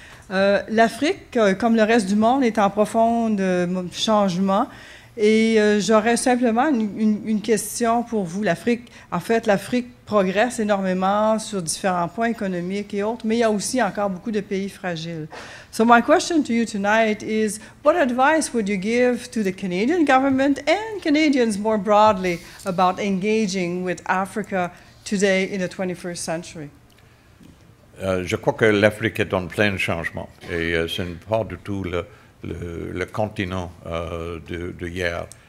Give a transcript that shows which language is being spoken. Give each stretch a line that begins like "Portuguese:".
French: L'Afrique, comme le reste du monde, est en profond changement. Et j'aurais simplement une question pour vous. L'Afrique, en fait, l'Afrique progresse énormément sur différents points économiques et autres, mais il y a aussi encore beaucoup de pays fragiles.
English: So my question to you tonight is, what advice would you give to the Canadian government and Canadians more broadly about engaging with Africa today in the 21st century?
French: Je crois que l'Afrique est en plein changement et ce n'est pas du tout le continent de hier.